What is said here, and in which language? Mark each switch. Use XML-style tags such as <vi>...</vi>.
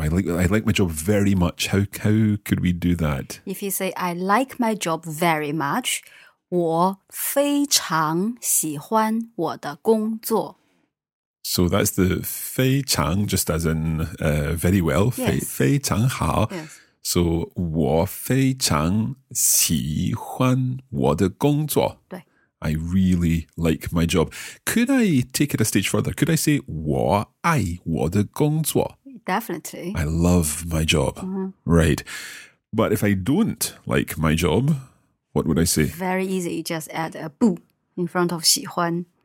<en>I like my job very much. How could we do that? If you say, I like my job very much,</en> <zh>我非常喜欢我的工作。</zh> <en>So that's the 非常, just as in very well, yes.</en> <zh>非常好。</zh> <en>Yes.</en> <zh>So 我非常喜欢我的工作。对。</zh> <en>I really like my job. Could I take it a stage further? Could I say</en> <zh>我爱我的工作?</zh> <en>Definitely. I love my job. Mm-hmm. Right. But if I don't like my job... What would I say? Very easy. You just add a 不 in front of 喜欢.</en>